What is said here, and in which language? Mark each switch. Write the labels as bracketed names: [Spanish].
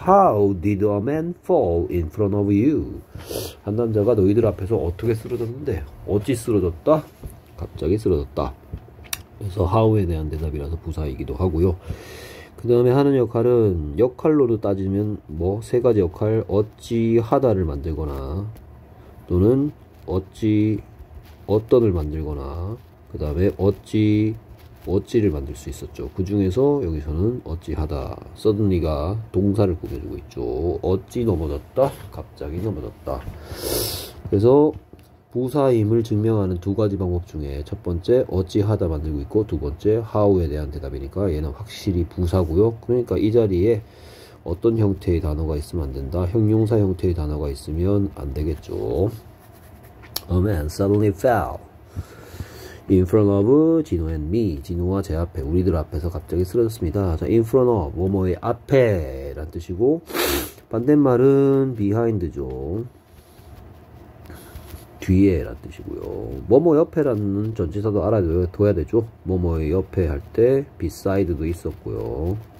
[English] How did a man fall in front of you? [Korean] 한 남자가 너희들 앞에서 어떻게 쓰러졌는데, 어찌 쓰러졌다? 갑자기 쓰러졌다. 그래서 how에 대한 대답이라서 부사이기도 하고요. 그 다음에 하는 역할은 역할로도 따지면 뭐세 가지 역할, 어찌 하다를 만들거나 또는 어찌 어떤을 만들거나 그 다음에 어찌 어찌를 만들 수 있었죠. 그 중에서 여기서는 어찌 하다, suddenly가 동사를 구겨주고 있죠. 어찌 넘어졌다, 갑자기 넘어졌다. 그래서 부사임을 증명하는 두 가지 방법 중에 첫 번째 어찌 하다 만들고 있고, 두 번째 how에 대한 대답이니까 얘는 확실히 부사고요. 그러니까 이 자리에 어떤 형태의 단어가 있으면 안 된다. 형용사 형태의 단어가 있으면 안 되겠죠. [English] A man suddenly fell in front of 진호 and me. [Korean] 진호와 제 앞에, 우리들 앞에서 갑자기 쓰러졌습니다. 자, in front of 뭐뭐의 앞에 란 뜻이고, 반대말은 behind죠. 뒤에 라는 뜻이고요. 뭐뭐 옆에라는 전치사도 알아둬야 되죠. 뭐뭐의 옆에 할때 beside도 있었고요.